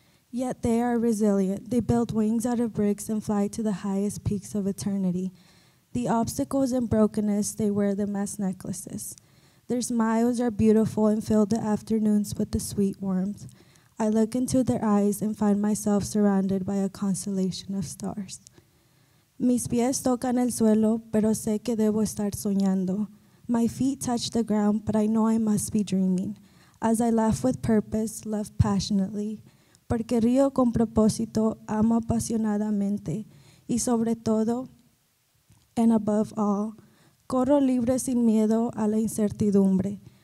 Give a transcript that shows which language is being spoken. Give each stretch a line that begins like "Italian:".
English: Yet they are resilient. They build wings out of bricks and fly to the highest peaks of eternity. The obstacles and brokenness, they wear them as necklaces. Their smiles are beautiful and fill the afternoons with the sweet warmth. I look into their eyes and find myself surrounded by a constellation of stars.
Spanish: Mis pies tocan el suelo, pero sé que debo estar soñando.
English: My feet touch the ground, but I know I must be dreaming. As I laugh with purpose, love passionately.
Spanish: Porque río con propósito, amo apasionadamente. Y sobre todo,
English: and above all,
Spanish: corro libre sin miedo a la incertidumbre.